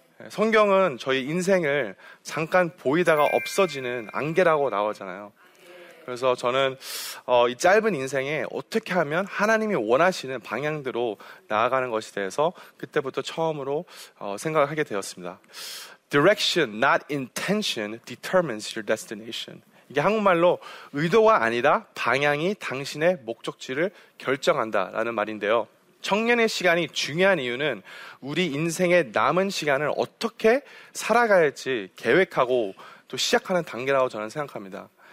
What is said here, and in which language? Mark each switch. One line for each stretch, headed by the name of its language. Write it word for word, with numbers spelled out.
Korean: 성경은 저희 인생을 잠깐 보이다가 없어지는 안개라고 나오잖아요. 그래서 저는 어, 이 짧은 인생에 어떻게 하면 하나님이 원하시는 방향대로 나아가는 것에 대해서 그때부터 처음으로 어, 생각을 하게 되었습니다.
English: Direction, not intention, determines your destination.
Korean: 이게 한국말로 의도가 아니라 방향이 당신의 목적지를 결정한다라는 말인데요. 청년의 시간이 중요한 이유는 우리 인생의 남은 시간을 어떻게 살아가야 할지 계획하고 또 시작하는 단계라고 저는 생각합니다.